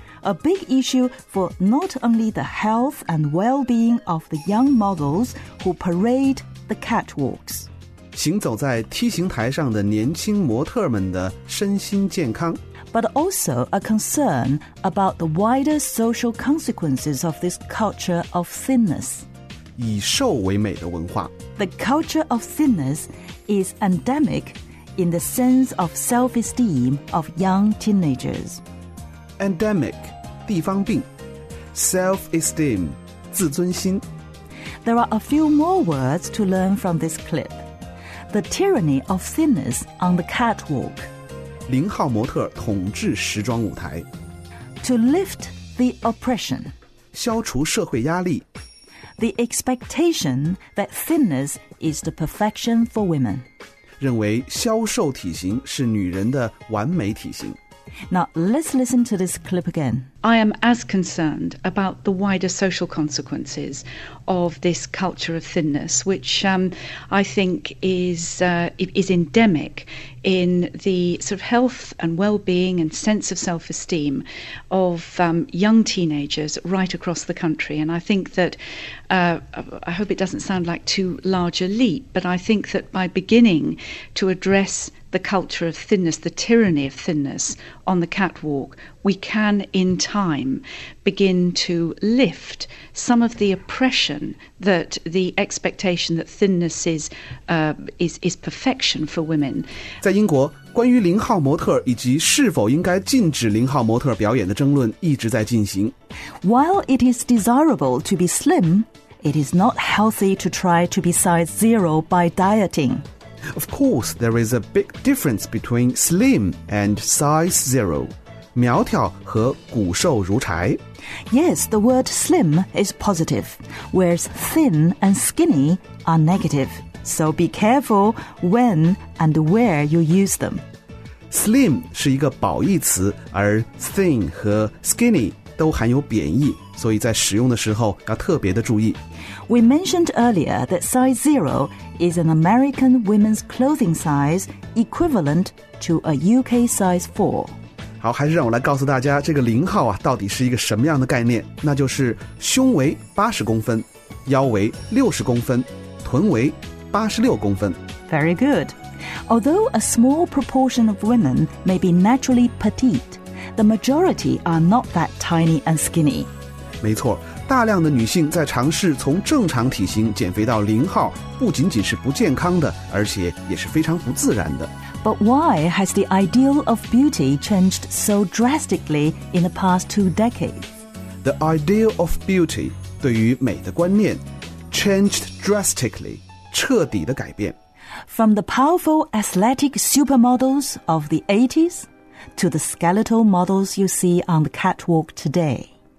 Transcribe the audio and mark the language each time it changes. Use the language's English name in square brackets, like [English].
[English] A big issue for not only the health and well-being of the young models who parade the catwalks. [Chinese] 行走在 T 型台上的年轻模特们的身心健康。 [English] But also a concern about the wider social consequences of this culture of thinness. [Chinese] 以瘦为美的文化。 [English] The culture of thinness is endemic in the sense of self-esteem of young teenagers. [Chinese] Endemic, 地方病 Self-esteem, 自尊心 [English] There are a few more words to learn from this clip. The tyranny of thinness on the catwalk. [Chinese] 零号模特统治时装舞台 [English] To lift the oppression. [Chinese] 消除社会压力 [English] The expectation that thinness is the perfection for women. [Chinese] 认为消瘦体型是女人的完美体型 [English] Now, let's listen to this clip again. I am as concerned about the wider social consequences of this culture of thinness, which I think is endemic in the sort of health and well-being and sense of self-esteem of young teenagers right across the country. And I think that, I hope it doesn't sound like too large a leap, but I think that by beginning to address... the culture of thinness, the tyranny of thinness on the catwalk, we can in time begin to lift some of the oppression that the expectation that thinness is perfection for women. [Chinese] 在英国，关于零号模特以及是否应该禁止零号模特表演的争论一直在进行。 [English] While it is desirable to be slim, it is not healthy to try to be size zero by dieting. Of course, there is a big difference between slim and size zero. [Chinese] 苗条和骨瘦如柴。 [English] Yes, the word slim is positive, whereas thin and skinny are negative. So be careful when and where you use them. [Chinese] Slim 是一个褒义词，而 thin 和 skinny 都含有贬义。所以在使用的时候要特别的注意。 [English] We mentioned earlier that size zero is an American women's clothing size equivalent to a UK size four. [Chinese] 好，还是让我来告诉大家这个零号啊到底是一个什么样的概念，那就是胸围80公分，腰围60公分，臀围86公分。 [English] Very good. Although a small proportion of women may be naturally petite, the majority are not that tiny and skinny. [Chinese] 没错，大量的女性在尝试从正常体型减肥到零号，不仅仅是不健康的，而且也是非常不自然的。 [English] But why has the ideal of beauty changed so drastically in the past two decades? The ideal of beauty, [Chinese] 对于美的观念, [English] changed drastically, [Chinese] 彻底的改变。 [English] from the powerful athletic supermodels of the 80s to the skeletal models you see on the catwalk today.